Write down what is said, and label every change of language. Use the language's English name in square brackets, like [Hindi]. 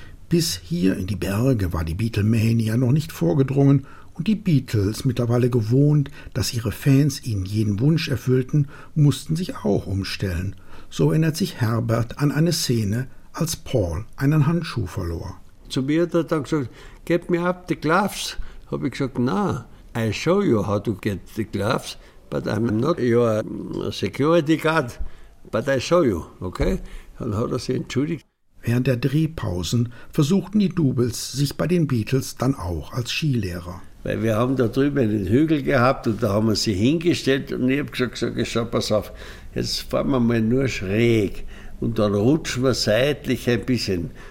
[German] Bis hier in die Berge war die Beatlemania noch nicht vorgedrungen und die Beatles mittlerweile gewohnt, dass ihre Fans ihnen jeden Wunsch erfüllten, mussten sich auch umstellen. So erinnert sich Herbert an eine Szene, als Paul einen Handschuh verlor. Zu mir hat er dann gesagt, [English] get me up the gloves. [German] Habe ich gesagt, na, [English] I show you how to get the gloves, but I'm not your security guard, but I show you, okay? [German] Dann hat er sich entschuldigt. Während der Drehpausen versuchten die Doubles sich bei den Beatles dann auch als Skilehrer. Weil wir haben da drüben einen Hügel gehabt und da haben wir sie hingestellt und ich habe gesagt, schau, pass auf, jetzt fahren wir mal nur schräg. Und dann rutschen wir seitlich ein bisschen.